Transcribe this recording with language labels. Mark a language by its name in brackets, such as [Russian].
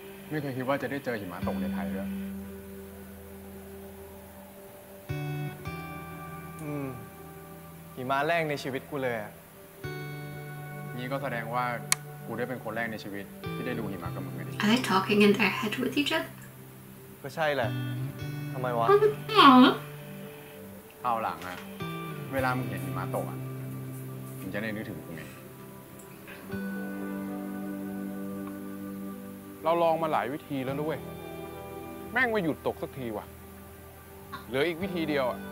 [Thai] ไม่เคยคิดว่าจะได้เจอหิมะตกในไทยด้วย หิมะแรกในชีวิตกูเลย นี่ก็แสดงว่ากูได้เป็นคนแรกในชีวิตที่ได้ดูหิมะกับมึงเลย [English] Are they talking in their head with each other? [Thai] ก็ใช่แหละทำไมวะ คราวหลังอะเวลามึงเห็นหิมะตกอะมึงจะได้นึกถึงกูไง เราลองมาหลายวิธีแล้วด้วยแม่งไม่หยุดตกสักทีว่ะเหลืออีกวิธีเดียวอ่ะ